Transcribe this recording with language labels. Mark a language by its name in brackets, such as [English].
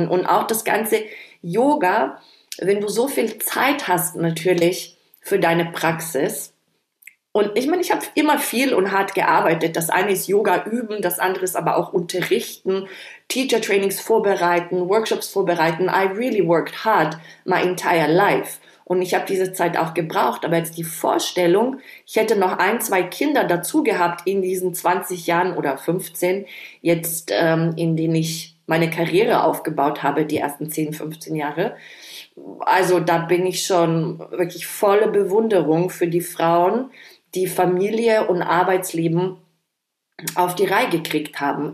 [German] Und auch das ganze Yoga, wenn du so viel Zeit hast natürlich für deine Praxis. Und ich meine, ich habe immer viel und hart gearbeitet. Das eine ist Yoga üben, das andere ist aber auch unterrichten, Teacher-Trainings vorbereiten, Workshops vorbereiten. [English] I really worked hard my entire life. [German] Und ich habe diese Zeit auch gebraucht, aber jetzt die Vorstellung, ich hätte noch ein, zwei Kinder dazu gehabt in diesen 20 Jahren oder 15, jetzt in denen ich meine Karriere aufgebaut habe, die ersten 10, 15 Jahre. Also da bin ich schon wirklich volle Bewunderung für die Frauen, die Familie und Arbeitsleben auf die Reihe gekriegt haben.